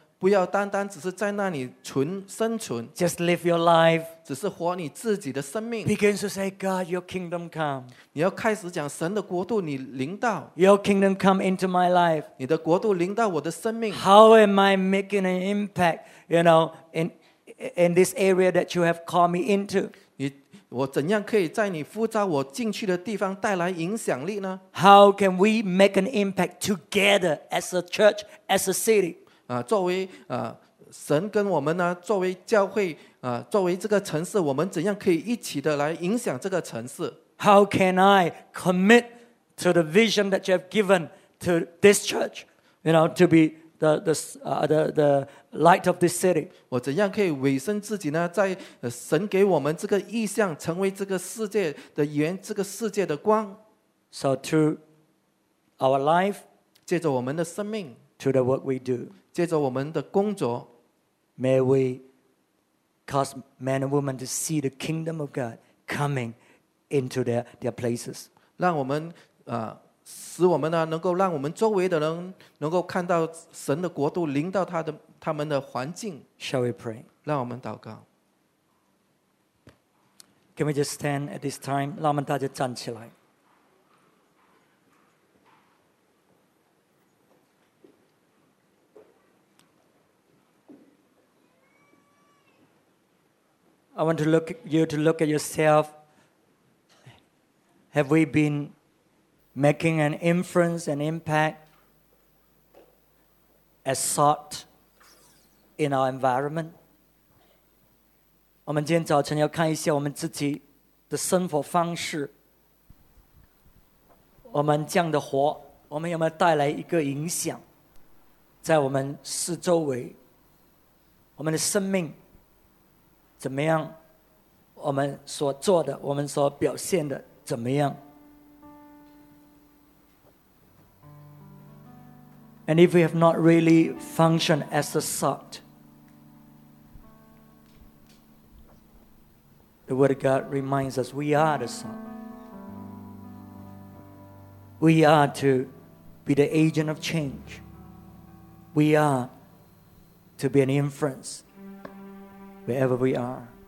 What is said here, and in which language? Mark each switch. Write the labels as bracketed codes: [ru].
[zh] 不要单单只是在那里生存。 [en] Just live your life. [zh] 只是活你自己的生命。 [en] Begin to say, God, your kingdom come. [zh] 你要开始讲神的国度你临到。 [en] Your kingdom come into my life. [zh] 你的国度临到我的生命。 [en] How am I making an impact, you know, in this area that you have called me into? [zh] 我怎样可以在你呼召我进去的地方带来影响力呢 [en] ？How can we make an impact together as a church, as a city？ [zh] 啊，作为神跟我们呢，作为教会啊，作为这个城市，我们怎样可以一起的来影响这个城市 [en] ？How can I commit to the vision that you have given to this church? You know, to be the light of this city. [zh] 我怎样可以委身自己呢？在神给我们这个意象，成为这个世界的盐，这个世界的光。 [en] So through our life, [zh] 借着我们的生命 [en] ，through the work we do, [zh] 借着我们的工作 [en] ，may we cause men and women to see the kingdom of God coming into their places. [zh] 让我们使我们呢，能够让我们周围的人能够看到神的国度临到他们的环境。 [en] Shall we pray? [zh] 让我们祷告。 [en] Can we just stand at this time? [zh] 让我们大家站起来。 [en] I want to look you to look at yourself. Have we been making an influence and impact as salt in our environment? [zh] 我们今天早晨要看一下我们自己的生活方式，我们这样的活，我们有没有带来一个影响在我们四周围？我们的生命怎么样？我们所做的，我们所表现的怎么样？ [en] And if we have not really functioned as a salt, the Word of God reminds us we are the salt. We are to be the agent of change. We are to be an influence wherever we are.